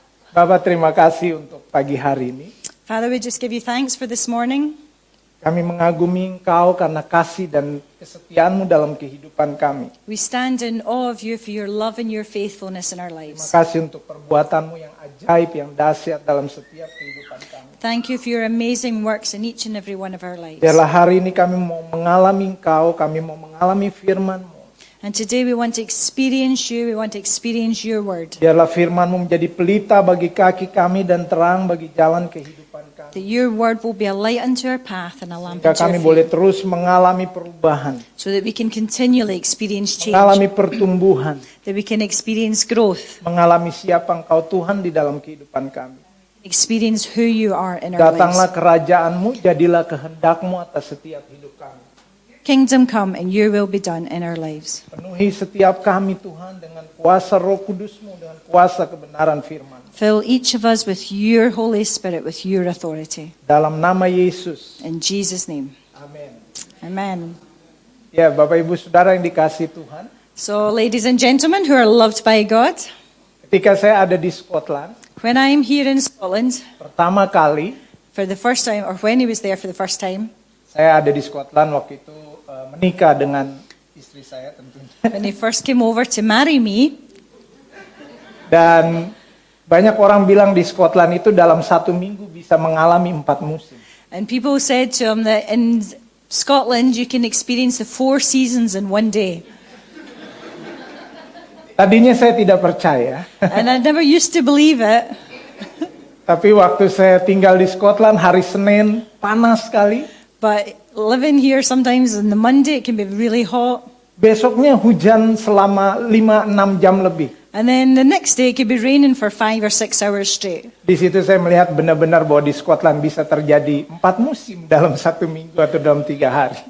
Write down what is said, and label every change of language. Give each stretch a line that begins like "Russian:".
Indonesian: Bapak, terima kasih untuk pagi hari ini.
English: Father, we just give you thanks for this morning.
Indonesian: Kami mengagumi Engkau karena kasih dan kesetiaan-Mu dalam kehidupan kami.
English: We stand in awe of you for your love and your faithfulness in our lives.
Indonesian: Terima kasih untuk perbuatan-Mu yang ajaib, yang dahsyat dalam setiap kehidupan kami.
English: Thank you for your amazing works in each and every one of our lives.
Indonesian: Biarlah hari ini kami mau mengalami Engkau, kami mau mengalami firman-Mu.
English: And today we want to experience you, we want to experience your word.
Indonesian: Biarlah firman-Mu menjadi pelita bagi kaki kami dan terang bagi jalan kehidupan kami.
English: That your word will be a light unto our path and a lamp unto our feet.
Indonesian: Kami boleh terus mengalami perubahan.
English: So that we can continually experience change.
Indonesian: Mengalami pertumbuhan.
English: That we can experience growth.
Indonesian: Mengalami siapa Engkau Tuhan di dalam kehidupan kami.
English: Experience who you are in our lives.
Indonesian: Datanglah kerajaan-Mu, jadilah kehendak-Mu atas setiap hidup kami.
English: Kingdom come and your will be done in our lives.
Indonesian: Penuhi setiap kami Tuhan dengan kuasa Roh Kudus-Mu, dengan kuasa kebenaran firman-Mu.
English: Fill each of us with your Holy Spirit, with your authority.
Indonesian: Dalam nama Yesus.
English: In Jesus' name.
Indonesian: Amen.
English: Amen.
Indonesian: Ya, yeah, Bapak Ibu Saudara yang dikasihi Tuhan.
English: So ladies and gentlemen who are loved by God.
Indonesian: Ketika saya ada di Scotland.
English: When I am here in Scotland.
Indonesian: Pertama kali.
English: For the first time, or when he was there for the first time.
Indonesian: Saya ada di Scotland waktu itu menikah dengan istri saya tentunya.
English: When he first came over to marry me.
Indonesian: Dan banyak orang bilang di Scotland itu dalam satu minggu bisa mengalami empat musim.
English: And people said to him that in Scotland you can experience the four seasons in one day.
Indonesian: Tadinya saya tidak percaya.
English: And I never used to believe it.
Indonesian: Tapi waktu saya tinggal di Scotland hari Senin panas sekali.
English: But living here sometimes on the Monday it can be really hot.
Indonesian: Besoknya hujan selama 5-6 jam lebih.
English: And then the next day it can be raining for 5 or 6 hours straight.
Indonesian: Di situ saya melihat benar-benar bahwa di Scotland bisa terjadi 4 musim dalam 1 minggu atau dalam 3 hari.